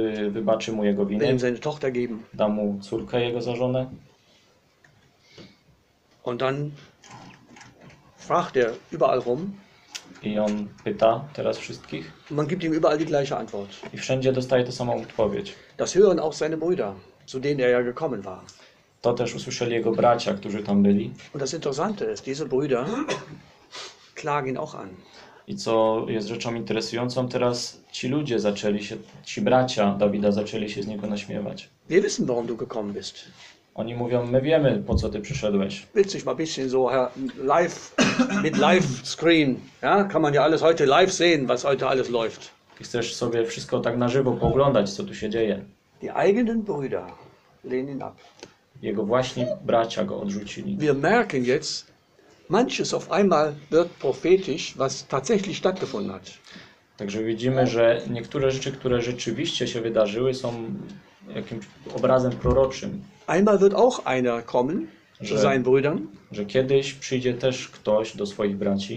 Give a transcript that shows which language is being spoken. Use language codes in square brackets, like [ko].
[pl] Wybaczy mu jego winy. [de] Will ihm seine Tochter geben. [pl] Da mu córkę jego za żonę. [de] Und dann fragt er überall rum. [pl] I on pyta teraz wszystkich. [de] Man gibt ihm überall die gleiche Antwort. [pl] I wszędzie dostaje tę samą odpowiedź. [de] Das hören auch seine Brüder, zu denen er ja gekommen war. [pl] To też usłyszeli jego bracia, którzy tam byli. [de] Und das Interessante ist, diese Brüder klagen ihn auch an. [pl] I co jest rzeczą interesującą, teraz ci ludzie zaczęli się, ci bracia Dawida zaczęli się z niego naśmiewać. [de] Wir wissen, warum du gekommen bist. [pl] Oni mówią, my wiemy, po co ty przyszedłeś. [de] Witzig, mal bisschen so live, mit live screen, ja? Kann man ja alles heute live sehen, was heute alles läuft. [pl] Chcesz sobie wszystko tak na żywo pooglądać, co tu się dzieje. [de] Die eigenen Brüder lehnen ihn ab. [pl] Jego właśnie bracia go odrzucili. [de] Wir merken jetzt, manches auf einmal wird prophetisch, was tatsächlich stattgefunden hat. [pl] Także widzimy, że niektóre rzeczy, które rzeczywiście się wydarzyły, są jakimś obrazem proroczym. [de] Einmal wird auch einer kommen zu seinen Brüdern, [pl] że kiedyś przyjdzie też ktoś do swoich braci